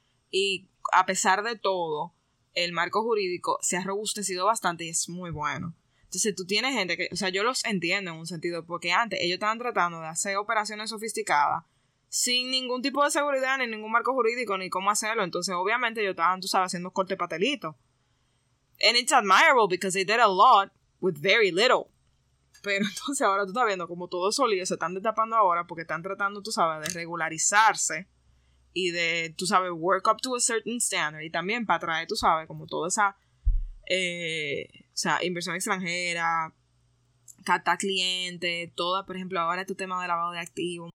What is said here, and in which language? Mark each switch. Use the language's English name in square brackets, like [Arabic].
[Spanish] Y a pesar de todo, el marco jurídico se ha robustecido bastante y es muy bueno. Entonces, tú tienes gente que, o sea, yo los entiendo en un sentido, porque antes ellos estaban tratando de hacer operaciones sofisticadas sin ningún tipo de seguridad, ni ningún marco jurídico, ni cómo hacerlo. Entonces, obviamente, ellos estaban, tú sabes, haciendo corte patelito. [English] And it's admirable because they did a lot with very little. [Spanish] Pero entonces, ahora tú estás viendo como todos esos líos se están destapando ahora porque están tratando, tú sabes, de regularizarse. Y de, tú sabes, [English] work up to a certain standard. [Spanish] Y también para traer, tú sabes, como toda esa o sea, inversión extranjera, captar cliente, toda, por ejemplo, ahora este tema de lavado de activos.